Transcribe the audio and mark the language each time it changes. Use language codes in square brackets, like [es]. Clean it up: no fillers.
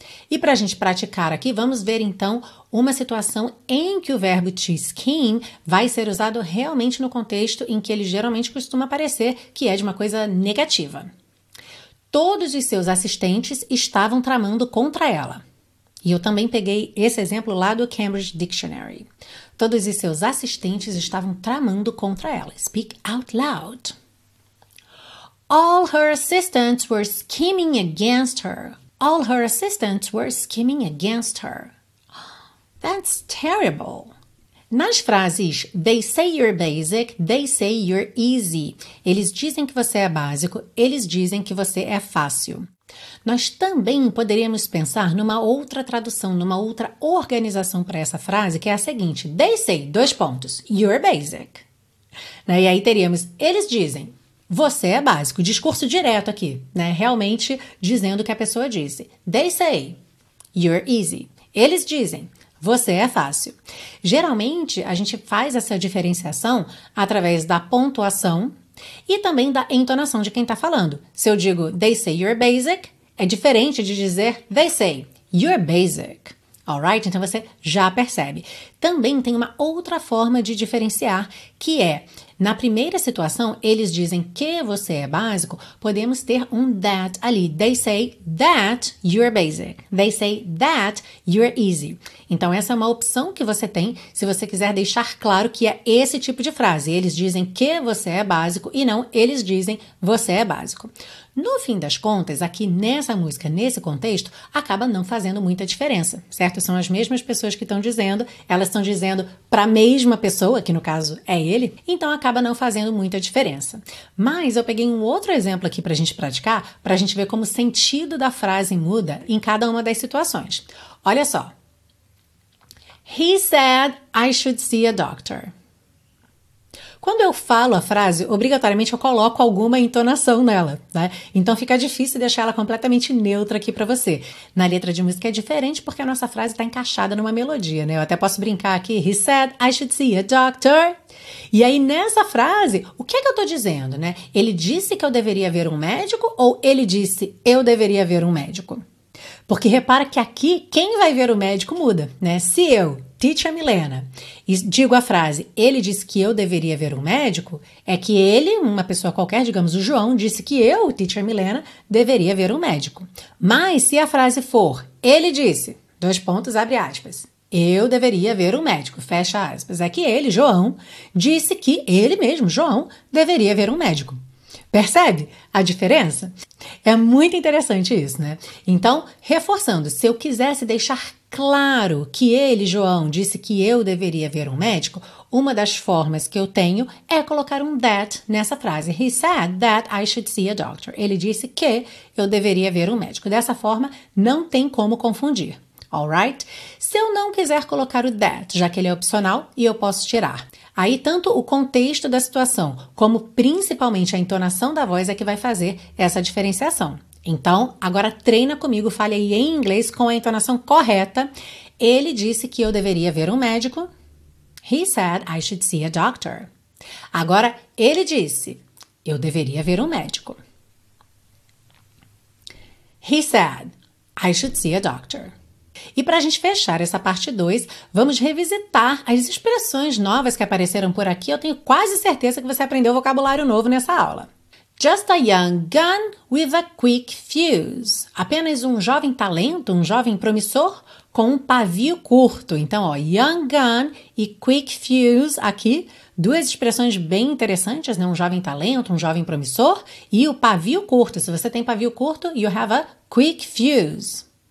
[pt] E para a gente praticar aqui, vamos ver então uma situação em que o verbo to scheme vai ser usado realmente no contexto em que ele geralmente costuma aparecer, que é de uma coisa negativa. Todos os seus assistentes estavam tramando contra ela. E eu também peguei esse exemplo lá do Cambridge Dictionary. Todos os seus assistentes estavam tramando contra ela. [en] Speak out loud. All her assistants were scheming against her. All her assistants were scheming against her. That's terrible. [pt] Nas frases, [en] they say you're basic, they say you're easy. [pt] Eles dizem que você é básico, eles dizem que você é fácil. Nós também poderíamos pensar numa outra tradução, numa outra organização para essa frase, que é a seguinte. [en] They say, [pt] dois pontos, [en] you're basic. [pt] E aí teríamos, eles dizem. Você é básico, discurso direto aqui, né? Realmente dizendo o que a pessoa disse. [en] They say, you're easy. [pt] Eles dizem, Você é fácil. Geralmente, a gente faz essa diferenciação através da pontuação e também da entonação de quem está falando. Se eu digo, [en] they say you're basic, [pt] é diferente de dizer, they say you're basic. Alright? Então, você já percebe. Também tem uma outra forma de diferenciar, que é, na primeira situação, eles dizem que você é básico, podemos ter um that ali. [en] They say that you're basic. They say that you're easy. [pt] Então, essa é uma opção que você tem se você quiser deixar claro que é esse tipo de frase. Eles dizem que você é básico e não eles dizem você é básico. No fim das contas, aqui nessa música, nesse contexto, acaba não fazendo muita diferença, certo? São as mesmas pessoas que estão dizendo, elas estão dizendo para a mesma pessoa, que no caso é ele, então acaba não fazendo muita diferença. Mas eu peguei um outro exemplo aqui para a gente praticar, para a gente ver como o sentido da frase muda em cada uma das situações. Olha só. [en] He said I should see a doctor. [pt] Quando eu falo a frase, obrigatoriamente eu coloco alguma entonação nela, né? Então fica difícil deixar ela completamente neutra aqui pra você. Na letra de música é diferente porque a nossa frase tá encaixada numa melodia, né? Eu até posso brincar aqui. [en] He said, I should see a doctor. [pt] E aí nessa frase, o que é que eu tô dizendo, né? Ele disse que eu deveria ver um médico ou ele disse eu deveria ver um médico? Porque repara que aqui quem vai ver o médico muda, né? Se eu, Teacher Milena, e digo a frase, ele disse que eu deveria ver um médico, é que ele, uma pessoa qualquer, digamos o João, disse que eu, Teacher Milena, deveria ver um médico. Mas se a frase for, ele disse, dois pontos, abre aspas, eu deveria ver um médico, fecha aspas, é que ele, João, disse que ele mesmo, João, deveria ver um médico. Percebe a diferença? É muito interessante isso, né? Então, reforçando, se eu quisesse deixar claro que ele, João, disse que eu deveria ver um médico, uma das formas que eu tenho é colocar um that nessa frase. [en] He said that I should see a doctor. [pt] Ele disse que eu deveria ver um médico. Dessa forma, não tem como confundir. Alright? Se eu não quiser colocar o that, já que ele é opcional, e eu posso tirar. Aí, tanto o contexto da situação, como principalmente a entonação da voz é que vai fazer essa diferenciação. Então, agora treina comigo, fale aí em inglês com a entonação correta. Ele disse que eu deveria ver um médico. [en] He said I should see a doctor. [pt] Agora, ele disse, eu deveria ver um médico. [en] He said I should see a doctor. [pt] E para a gente fechar essa parte 2, vamos revisitar as expressões novas que apareceram por aqui. Eu tenho quase certeza que você aprendeu vocabulário novo nessa aula. [en] Just a young gun with a quick fuse. [pt] Apenas um jovem talento, um jovem promissor com um pavio curto. Então, ó, young gun e quick fuse aqui. Duas expressões bem interessantes, né? Um jovem talento, um jovem promissor e o pavio curto. Se você tem pavio curto, [en] you have a quick fuse.